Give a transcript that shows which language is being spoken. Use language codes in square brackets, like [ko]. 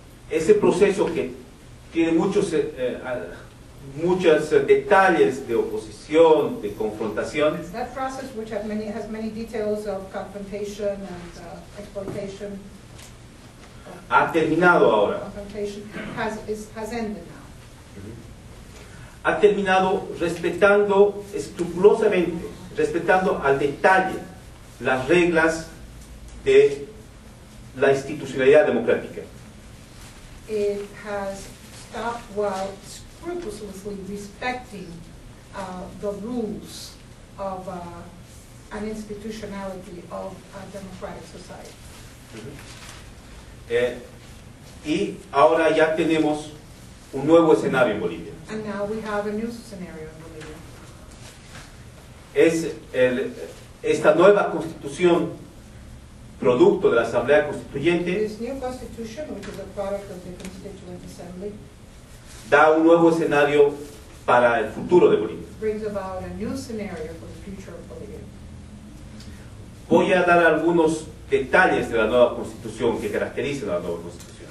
[es] Ese proceso que tiene muchos muchos detalles de oposición, de confrontación. [en] That process which has many details of confrontation and exploitation. [es] Ha terminado ahora. [en] Confrontation has ended now. [es] Ha terminado respetando escrupulosamente, respetando al detalle las reglas de la institucionalidad democrática. [en] It has stopped while scrupulously respecting the rules of an institutionality of a democratic society. Mm-hmm. [es] Y ahora ya tenemos un nuevo escenario en Bolivia. [en] And now we have a new scenario in Bolivia. [es] Es esta nueva constitución producto de la Asamblea Constituyente. [en] This new constitution, which is a product of the Constituent Assembly, [es] da un nuevo escenario para el futuro de Bolivia. [en] Brings about a new scenario for the future of Bolivia. [es] Voy a dar algunos detalles de la nueva constitución que caracteriza la nueva constitución.